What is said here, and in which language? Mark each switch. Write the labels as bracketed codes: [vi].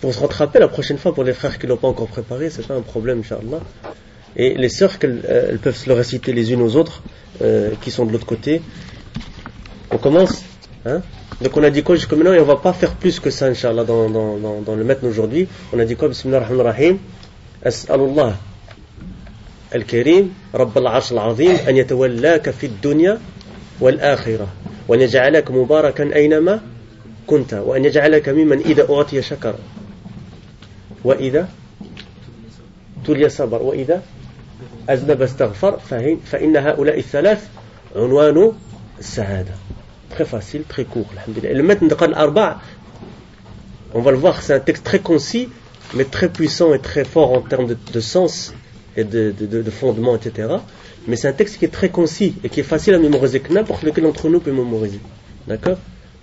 [fr] Pour se rattraper la prochaine fois, pour les frères qui ne l'ont pas encore préparé, ce n'est pas un problème, inshallah. Et les sœurs, elles peuvent se le réciter les unes aux autres, qui sont de l'autre côté. On commence ? Hein ? Donc on a dit quoi jusqu'à maintenant ? Et on ne va pas faire plus que ça, inshallah, dans le maître aujourd'hui. On a dit quoi ? Bismillahirrahmanirrahim. [ar] أسأل الله الكريم رب العرش العظيم أن يتولاك في الدنيا والآخرة وأن يجعلك مباركا أينما كنت وأن يجعلك ممن إذا أعطي شكر وإذا تولي صبر وإذا أذنب استغفر فإن هؤلاء الثلاث عنوان السعادة. [fr] Très facile, très court, الحمد لله. Le matin de Qadr al-Arba, on va le voir, c'est un texte très concis mais très puissant et très fort en termes de sens et de fondement, etc. Mais c'est un texte qui est très concis et qui est facile à mémoriser, que n'importe lequel d'entre nous peut mémoriser. D'accord ?